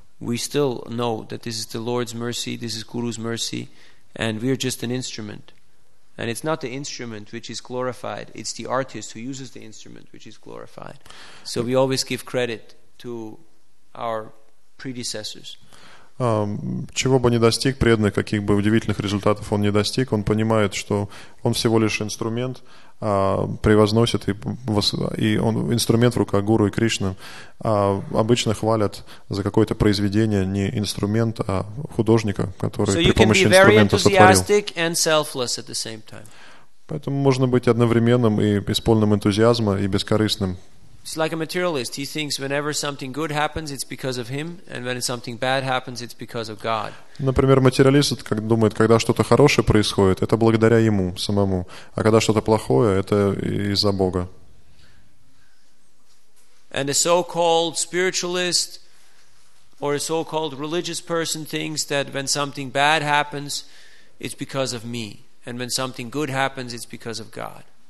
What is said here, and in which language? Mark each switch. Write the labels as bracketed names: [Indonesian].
[English] We still know that this is the Lord's mercy, this is Guru's mercy, and we are just an instrument. And it's not the instrument which is glorified, it's the artist who uses the instrument which is glorified. So we always give credit to our predecessors. [Russian] Чего бы ни достиг преданный, каких бы удивительных результатов он ни достиг, он понимает, что он всего лишь инструмент, превозносит, и он инструмент в руках Гуру и Кришны. Обычно хвалят за какое-то произведение не инструмент, а художника, который при помощи инструмента сотворил. Поэтому можно быть одновременным и исполненным энтузиазма, и бескорыстным. [English] It's like a materialist. He thinks whenever something good happens, it's because of him, and when something bad happens, it's because of God. [Russian] Например, материалист думает, когда что-то хорошее происходит, это благодаря ему самому, а когда что-то плохое, это из-за Бога. [English] And a so-called spiritualist or a so-called religious person thinks that when something bad happens, it's because of me, and when something good happens, it's because of God.